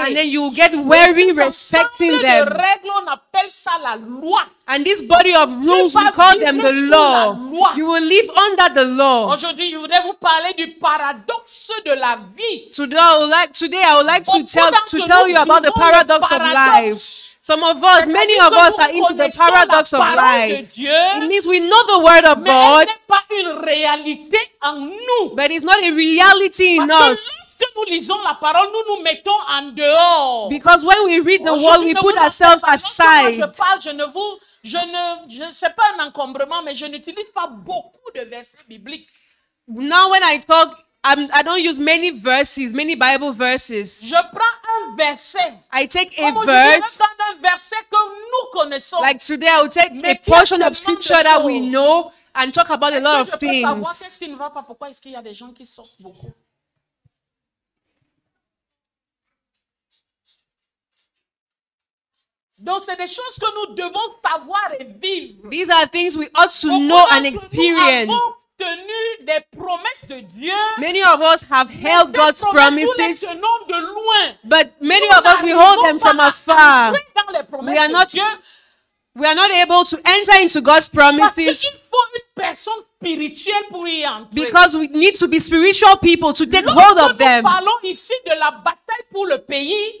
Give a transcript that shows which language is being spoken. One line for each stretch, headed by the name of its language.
English: And then you will get weary respecting them.
French: De règles, on appelle ça la loi.
English: And this body of rules, we call them the law. You will live under the law.
French: Aujourd'hui, je voudrais vous parler du paradoxe de la vie.
English: Today I would like to tell you about the paradoxe of life. Some of us, many of us are into the paradox of life. It means we know the word of God, but it's not a reality in us.
French: Si nous lisons la parole, nous nous mettons en dehors.
English: Because when we read the word, we put ourselves aside.
French: Je parle, je ne sais pas un encombrement, mais je n'utilise pas beaucoup de versets bibliques.
English: Now when I talk, I don't use many verses, many Bible verses.
French: Je prends un verset.
English: I take a verse.
French: Comme aujourd'hui, un verset que nous connaissons.
English: Like today, I will take a portion of scripture that we know and talk about
French: est-ce
English: a lot
French: que
English: of things.
French: Je peux savoir qu'est-ce qui ne va pas, pourquoi est-ce qu'il y a des gens qui sortent beaucoup? Donc, c'est des choses que nous devons savoir et vivre.
English: These are things we ought to know and experience.
French: Nous avons tenu des promesses de Dieu.
English: Many of us have held God's promises.
French: Nous les tenons de loin.
English: But many of us, we hold them from afar.
French: Dans les promesses de Dieu.
English: We are not able to enter into God's promises.
French: Parce qu'il faut une personne spirituels pour y entrer.
English: Because we need to be spiritual people to take hold of them.
French: Lorsque nous parlons ici de la bataille pour le pays,